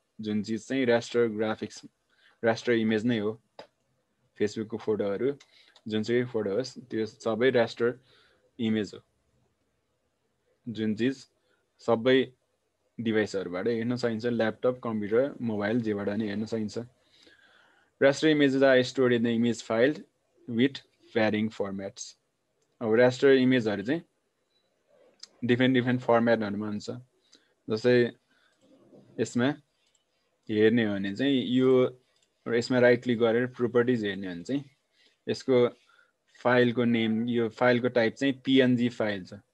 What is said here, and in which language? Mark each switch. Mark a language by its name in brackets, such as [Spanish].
[Nepali] जुन चिज चाहिँ राष्ट्र ग्राफिक्स, राष्ट्र इमेज नै हो. फेसबुकको फोटोहरू जुन चाहिँ फोटो होस् त्यो सबै रास्टर इमेज हो, जुन चिज सबै डिभाइसहरूबाट हेर्न सकिन्छ. ल्यापटप, कम्प्युटर, मोबाइल जेबाट नि हेर्न सकिन्छ. [English] Raster images are stored in the image file with pairing formats. [Nepali] अब रास्टर इमेजहरू चाहिँ डिफ्रेन्ट डिफ्रेन्ट फर्मेटहरूमा हुन्छ. जस्तै यसमा हेर्ने हो भने चाहिँ यो, र यसमा राइट क्लिक गरेर प्रोपर्टिज हेर्ने हो भने चाहिँ यसको फाइलको नेम, यो फाइलको टाइप चाहिँ पिएनजी फाइल छ.